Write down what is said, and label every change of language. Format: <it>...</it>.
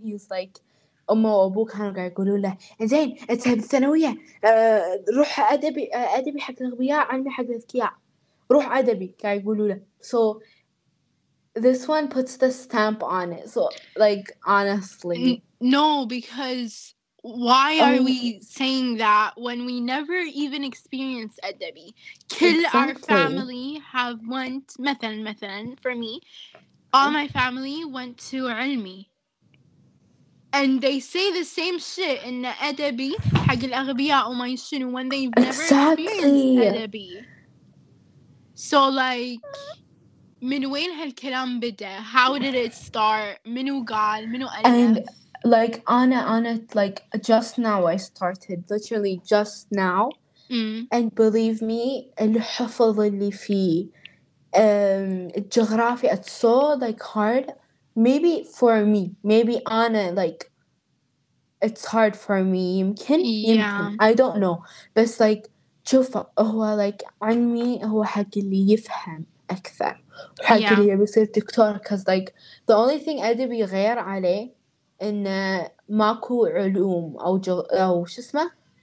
<en>He's like,</en> <ar>أمه وأبوه كانوا قاعد يقولوا له إنزين أنت بالثانوية روح أدبي أدبي حق الأغبياء علمي حق الأذكياء روح أدبي قاعد يقولوا له</ar> <en>so this one puts the stamp on it so like honestly no because why are we saying that when we never even experienced أدبي كل exactly. our family have went مثلا for me all my family went to علمي And they say the same shit in the Edebi,</en> <ar>حق الأغبياء وما يشنو</ar> <en>when they've never experienced Edebi. So like,</en> <ar>من وين هالكلام بدأ?</ar> <en>How did it start?</en> <ar>منو قال? منو ألف?</ar> <en>And like, Anna, like, just now I started, literally just now. And believe me,</en> <ar>الحفظ اللي فيه, الجغرافي,</ar> <en>it's so like hard. Maybe for me, maybe Anna, like, it's hard for me.</en> <ar>يمكن,</ar> <en>yeah.</en> <ar>يمكن.</ar> <en>I don't know. But like,</en> <ar>شوفه هو like علمي هو حق اللي يفهم أكثر. حق اللي يبي يصير دكتور.</ar> <en>Cause like the only thing</en> <ar>أدبي غير عليه إن ماكو علوم أو شو اسمه.</ar>